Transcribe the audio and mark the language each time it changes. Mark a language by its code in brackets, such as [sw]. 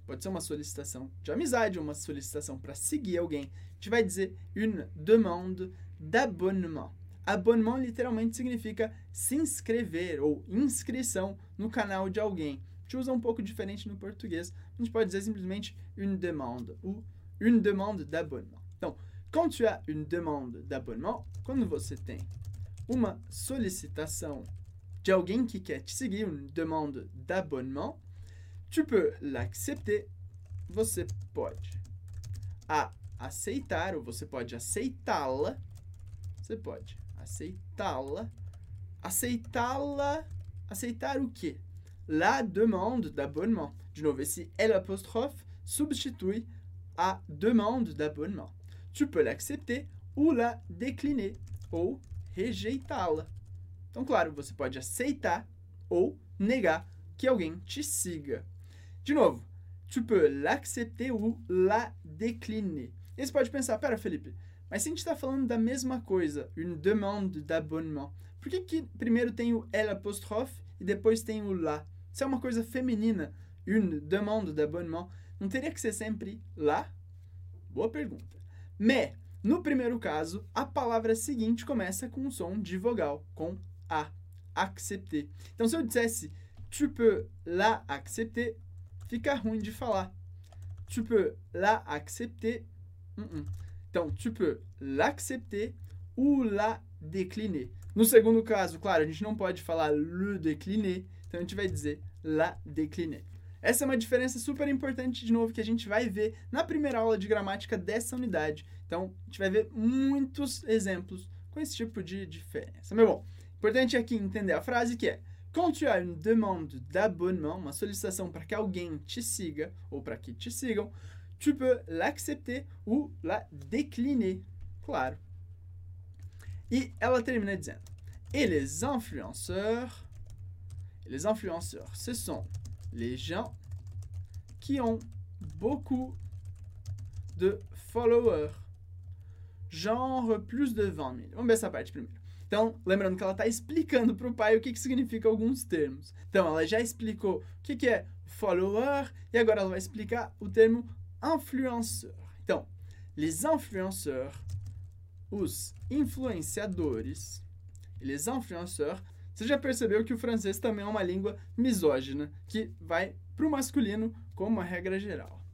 [pt] Pode ser uma solicitação de amizade, uma solicitação para seguir alguém. Tu vai dizer [fr] une demande d'abonnement. [pt] Abonnement literalmente significa se inscrever ou inscrição no canal de alguém. Tu usa um pouco diferente no português. A gente pode dizer simplesmente une demande ou [fr] une demande d'abonnement. [pt] Então, [fr] quand tu as une demande d'abonnement, [pt] quando você tem uma solicitação de alguém que quer te seguir, [fr] une demande d'abonnement, tu peux l'accepter, [pt] você pode aceitar, ou você pode aceitá-la, você pode aceitá-la, aceitá-la, aceitar o quê? [fr] La demande d'abonnement. [pt] De novo, esse l'apostrophe substitui a [fr] demande d'abonnement. Tu peux l'accepter ou la décliner, [pt] ou rejeitá-la. Então, claro, você pode aceitar ou negar que alguém te siga. De novo, [fr] tu peux l'accepter ou la décliner. [pt] E você pode pensar, pera, Felipe, mas se a gente está falando da mesma coisa, [fr] une demande d'abonnement, [pt] por que que primeiro tem o l'apostrophe e depois tem o la? Se é uma coisa feminina, [fr] une demande d'abonnement, [pt] não teria que ser sempre la? Boa pergunta. Mais, no primeiro caso, a palavra seguinte começa com o som de vogal, com a, accepter. Então, se eu dissesse [fr] tu peux la accepter, [pt] fica ruim de falar. [fr] Tu peux la accepter. [pt] Então, [fr] tu peux l'accepter ou la décliner. [pt] No segundo caso, claro, a gente não pode falar [fr] le décliner, [pt] então a gente vai dizer [fr] la décliner. [pt] Essa é uma diferença super importante, de novo, que a gente vai ver na primeira aula de gramática dessa unidade. Então, a gente vai ver muitos exemplos com esse tipo de diferença. Mas bom, importante aqui entender a frase que é: [fr] quand tu as une demande d'abonnement, [pt] uma solicitação para que alguém te siga ou para que te sigam, [fr] tu peux l'accepter ou la décliner. [pt] Claro. E ela termina dizendo: [fr] Les influenceurs, ce sont les gens qui ont beaucoup de followers. Genre plus de 20 000. [pt] Vamos ver essa parte primeiro. Então, lembrando que ela está explicando para o pai o que, que significa alguns termos. Então, ela já explicou o que, que é follower e agora ela vai explicar o termo influenceur. Então, [fr] les influenceurs, [pt] os influenciadores, les influenceurs, você já percebeu que o francês também é uma língua misógina, que vai para o masculino como a regra geral.